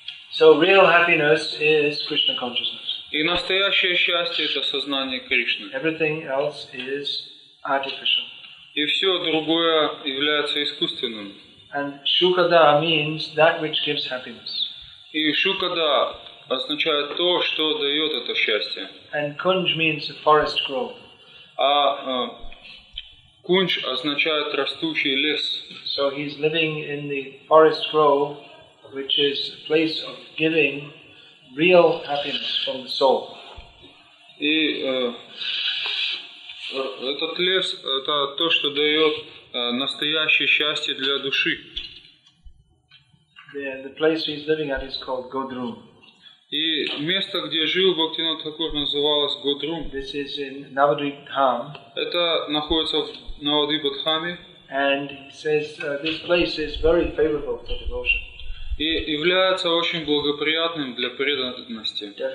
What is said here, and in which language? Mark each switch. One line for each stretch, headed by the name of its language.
English: So real happiness is Krishna consciousness.
Russian: И настоящее счастье – это сознание Кришны.
English: Everything else is artificial.
Russian: И все другое является искусственным.
English: And shukada means that which gives happiness.
Russian: И shukada означает то, что дает это счастье.
English: And kunj means a forest grove.
Russian: А кунж означает растущий лес.
English: So he's living in the forest grove, which is a place of giving real happiness from the soul.
Russian: И этот лес это то, что дает настоящее счастье для души.
English: The place he's living at is called Godrum.
Russian: И место, где жил Бхактинат Хакур, называлось Годрум.
English: This is in Navadvip Dham.
Russian: Это находится в Навадвипадхаме.
English: And he says this place is very favorable for devotion.
Russian: И является очень благоприятным для преданности.